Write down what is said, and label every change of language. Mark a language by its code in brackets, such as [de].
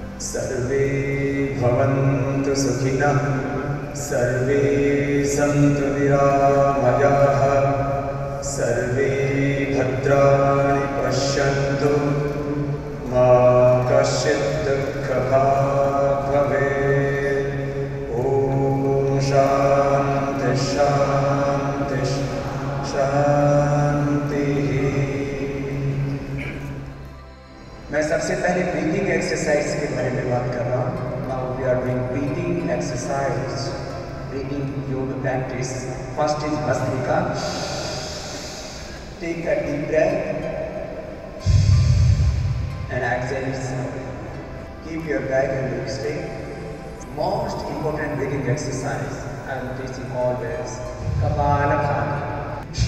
[sa] सर्वे भवन्तु सुखिनः सर्वे सन्तु निरामयाः सर्वे भद्राणि पश्यन्तु मा कश्चित् दुःखः भवेत् ॐ शान्ति शान्ति शान्तिः। [hi] मैं सबसे पहले ब्रीथिंग एक्सरसाइज के बारे में बात कर रहा हूँ। [en] Now we are doing breathing exercise breathing yoga practice. First is Bhastrika. Take a deep breath and exhale slowly. Keep your back and neck straight. Most important breathing exercise I'm teaching always, Kapalabhati.